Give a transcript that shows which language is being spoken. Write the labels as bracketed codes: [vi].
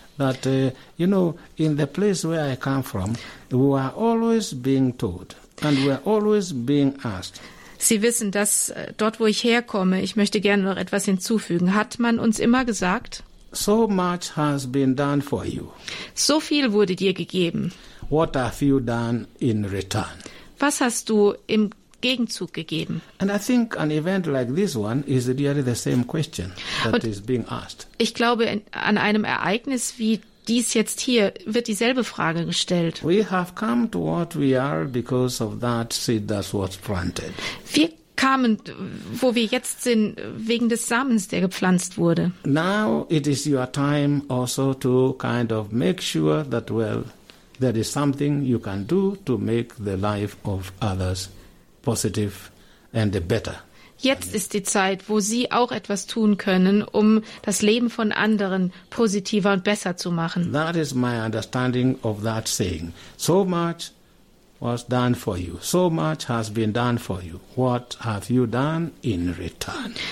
[en] That, you know, in the place where I come from, we are always being told and we are always being asked. [de] Sie wissen, dass dort, wo ich herkomme, ich möchte gerne noch etwas hinzufügen, hat man uns immer gesagt, [en] so much has been done for you. [de] So viel wurde dir gegeben. [en] What have you done in return? [de] Was hast du im Gegenzug gegeben? [en] And I think an event like this one is really the same question that is being asked. [de] Ich glaube, an einem Ereignis wie dies jetzt hier wird dieselbe Frage gestellt. [en] We have come to what we are because of that seed that was planted. [de] Wir kamen, wo wir jetzt sind, wegen des Samens, der gepflanzt wurde. [en] Now it is your time also to kind of make sure that, well, there is something you can do to make the life of others positive and better. [de] Jetzt ist die Zeit, wo Sie auch etwas tun können, um das Leben von anderen positiver und besser zu machen. [en] That is my understanding of that saying. So much was done for you. So much has been done for you. What have you done in return?